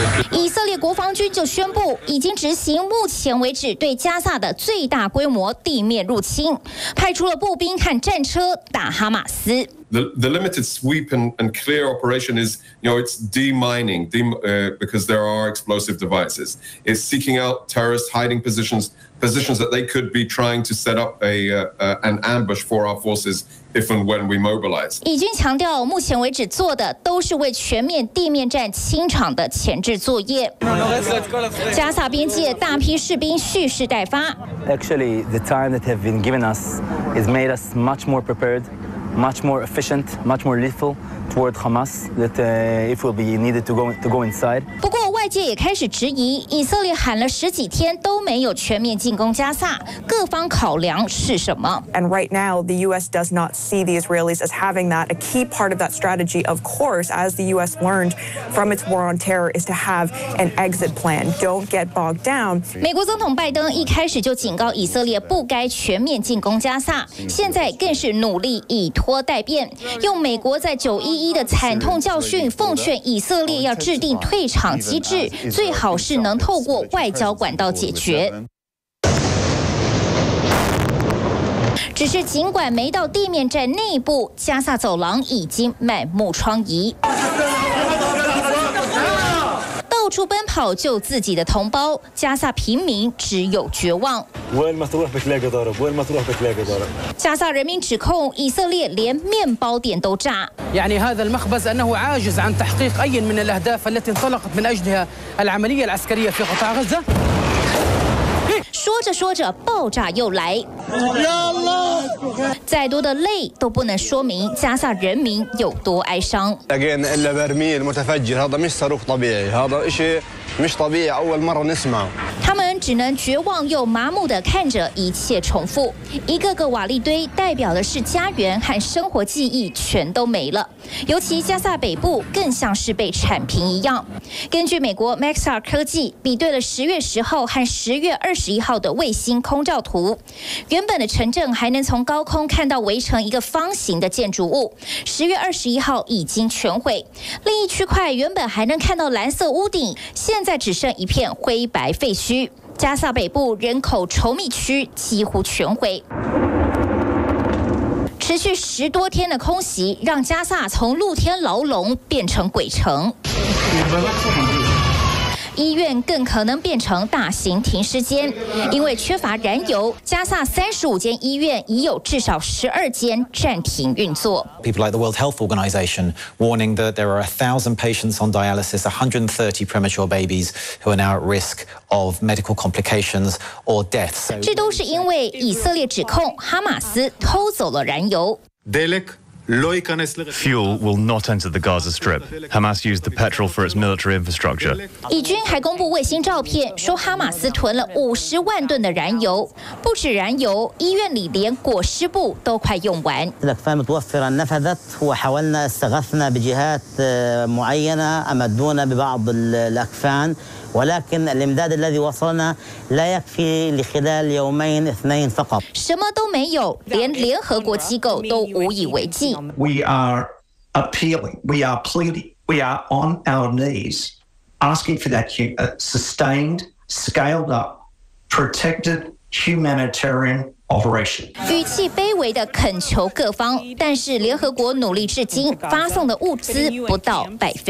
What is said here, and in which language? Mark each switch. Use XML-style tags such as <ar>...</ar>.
<zh>以色列国防军就宣布，已经执行目前为止对加萨的最大规模地面入侵，派出了步兵和战车打哈马斯。</zh> <en>The limited sweep and clear operation is, you know, it's demining, because there are explosive devices. It's seeking out terrorist hiding positions. Positions that they could be trying to set up an ambush for our forces if and when we mobilize.</en> <zh>以军强调，目前为止做的都是为全面地面战清场的前置作业。加萨边界大批士兵蓄势待发。</zh> <en>Actually, the time that have been given us has made us much more prepared, much more efficient, much more lethal toward Hamas that if will be needed to go inside.</en> <zh>不过外界也开始质疑，以色列喊了十几天都没有全面进攻加萨，各方考量是什么？</zh> <en>And right now, the U.S. does not see the Israelis as having that. A key part of that strategy, of course, as the U.S. learned from its war on terror, is to have an exit plan. Don't get bogged down.</en> <zh>美国总统拜登一开始就警告以色列不该全面进攻加萨，现在更是努力以拖待变，用美国在911的惨痛教训奉劝以色列要制定退场机制。最好是能透过外交管道解决。只是尽管没到地面站内部，加萨走廊已经满目疮痍，到处奔跑救自己的同胞，加萨平民只有绝望。加萨人民指控以色列连面包店都炸。</zh> <ar>يعني هذا المخبز أنه عاجز عن تحقيق أي من الأهداف التي انطلقت من أجلها العملية العسكرية في قطاع غزة.</ar> <zh>说着说着，爆炸又来。再多的泪都不能说明加萨人民有多哀伤。</zh> <ar>again إلا برميل متفجر هذا مش صاروخ طبيعي هذا إشي مش طبيعي أول مرة نسمع.</ar> <zh>只能绝望又麻木地看着一切重复，一个个瓦砾堆代表的是家园和生活记忆全都没了，尤其加萨北部更像是被铲平一样。根据美国 Maxar 科技比对了10月10号和10月21号的卫星空照图，原本的城镇还能从高空看到围成一个方形的建筑物，10月21号已经全毁，另一区块原本还能看到蓝色屋顶，现在只剩一片灰白废墟。加萨北部人口稠密区几乎全毁，持续十多天的空袭让加萨从露天牢笼变成鬼城，医院更可能变成大型停尸间，因为缺乏燃油，加萨35间医院已有至少12间暂停运作。</zh> <en>People like the World Health Organization warning that there are 1,000 patients on dialysis, 130 premature babies who are now at risk of medical complications or death.</en> <zh>这都是因为以色列指控哈马斯偷走了燃油。</zh> <en>Fuel will not enter the Gaza Strip. Hamas used the petrol for its military infrastructure.</en> <zh>以军还公布卫星照片，说哈马斯囤了50万吨的燃油。不止燃油，医院里连裹尸布都快用完。</zh> <ar>الأكفاء متوفرة نفذت وحاولنا استغاثنا بجهات معينة أمدونا ببعض الأكفان. ولكن الامداد الذي وصلنا لا يكفي لخلال يومين اثنين فقط.</ar> <zh>什么都没有，连联合国机构都无以为继。</zh> <en>We are appealing, we are pleading, we are on our knees, asking for that sustained, scaled up, protected humanitarian.</en> <zh>语气卑微地恳求各方，但是联合国努力至今发送的物资不到1%。</zh>